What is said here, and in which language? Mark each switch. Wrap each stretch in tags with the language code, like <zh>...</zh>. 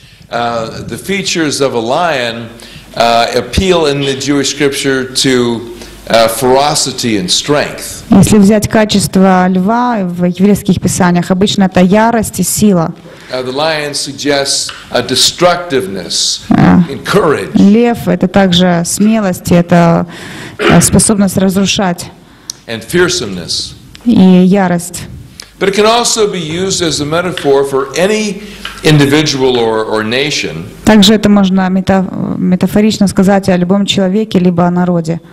<en>The features of a lion appeal in the Jewish scripture to ferocity and strength.</en> <ru>Если взять качество льва в еврейских писаниях, обычно это ярость и сила.</ru> <en>The lion suggests a destructiveness and courage.</en> <ru>Лев это также смелость, это способность разрушать.</ru> <en>And fearsomeness.</en> <ru>И ярость.</ru> <en>But it can also be used as a metaphor for any individual or nation.</en> <ru>Также это можно метафорично сказать о любом человеке либо о народе.</ru>